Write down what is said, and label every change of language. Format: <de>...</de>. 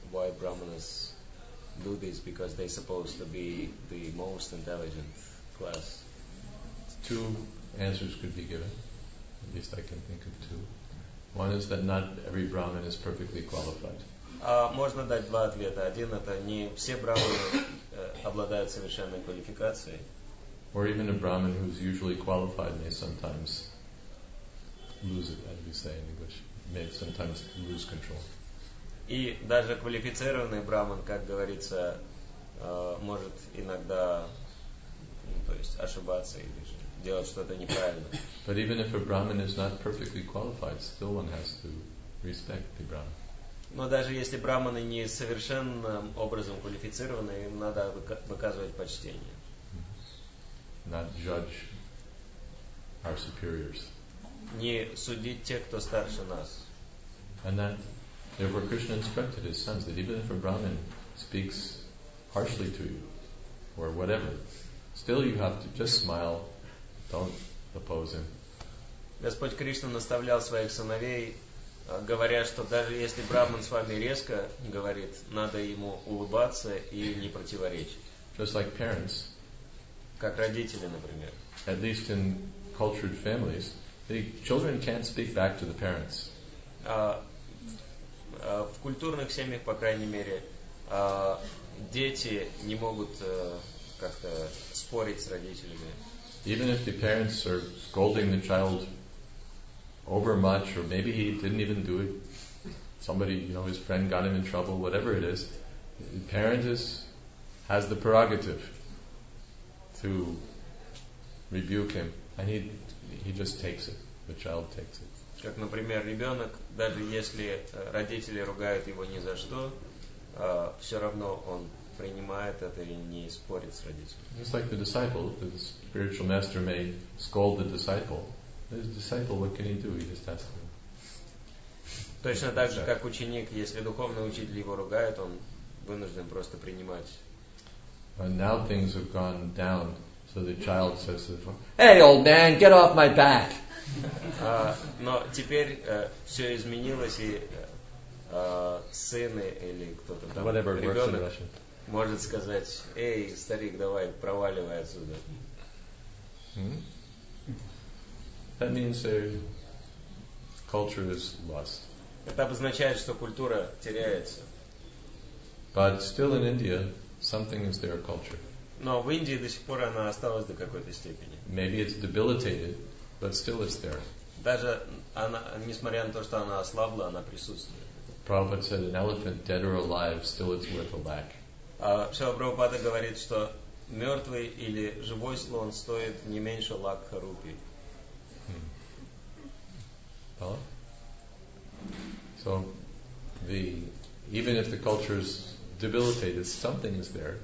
<en>Why brahmanas do this? Because they're supposed to be the most intelligent class. Two answers could be given. At least I can think of two. One is that not every brahman is perfectly qualified.</en> <ru>Можно дать два ответа. Один это не все брахманы обладают совершенной квалификацией.</ru> <en>Or even a brahman who's usually qualified may sometimes lose it, as we say in English, may sometimes lose control.</en> <ru>И даже квалифицированный брахман, как говорится, может иногда, ну, то есть ошибаться или же делать что-то неправильно.</ru> <en>But even if a brahman is not perfectly qualified, still one has to respect the brahman.</en> <ru>Но даже если брахманы не совершенным образом квалифицированы, им надо выказывать почтение.</ru> <en>Not judge our superiors.</en> <ru>Не судить тех, кто старше нас.</ru> <en>And that, therefore, Krishna instructed his sons that even if a brahman speaks harshly to you or whatever, still you have to just smile. Don't oppose him.</en> <ru>Господь Кришна наставлял своих сыновей, говоря, что даже если брахман с вами резко говорит, надо ему улыбаться и не противоречить.</ru> <en>Just like parents.</en> <ru>Как родители, например.</ru> <en>At least in cultured families, the children can't speak back to the parents.</en> <ru>В культурных семьях, по крайней мере, дети не могут как-то спорить с родителями.</ru> <en>Even if the parents are scolding the child overmuch, or maybe he didn't even do it, somebody, you know, his friend got him in trouble, whatever it is, the parent has the prerogative to rebuke him, and he just takes it, the child takes it.</en> <ru>Как, например, ребенок, даже если родители ругают его ни за что, все равно он воспринимает это и не спорит с родителями.</ru> <en>It's like the disciple, the spiritual master may scold the disciple. This disciple, what can he do? He just asks him.</en> <ru>Точно так же, как ученик, если духовный учитель его ругает, он вынужден просто принимать.</ru> <en>And now things have gone down, so the child says to the father, "Hey, old man, get off my back!"</en> <ru>Но теперь все изменилось, и сын или кто-то там, ребенок, может сказать, «Эй, старик, давай, проваливай отсюда».</ru> <en>That means their culture is lost.</en> <ru>Это обозначает, что культура теряется.</ru> <en>But still in India, something is their culture.</en> <ru>Но в Индии до сих пор она осталась до какой-то степени.</ru> <en>Maybe it's debilitated, but still it's there.</en> <ru>Даже она, несмотря на то, что она ослабла, она присутствует.</ru> <en>Prabhupada said, an elephant, dead or alive, still it's worth a lakh.</en> <ru>Шрила Прабхупада говорит, что мертвый или живой слон стоит не меньше лакха рупий.</ru> <en>So, the even if the culture is debilitated, something is there.</en>